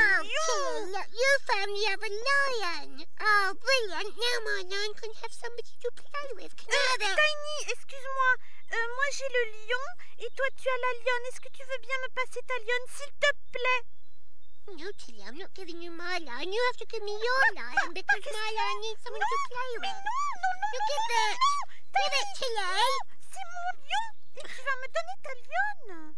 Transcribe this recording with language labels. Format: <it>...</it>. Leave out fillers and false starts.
<en>Oh, Tilly, look, you found the other lion. Oh, brilliant. Now my lion can have somebody to play with. Can I have it?</en> <fr>Tiny, excuse-moi. Moi, j'ai le lion et toi, tu as la lionne. Est-ce que tu veux bien me passer ta lionne, s'il te plaît?</fr> <en>No, Tilly, I'm not giving you my lion. You have to give me your lion because my lion needs someone to play with.</en> <fr>Non,</fr> <en>give it, Tilly.</en> <fr>Non, c'est mon lion et tu vas me donner ta lionne.</fr>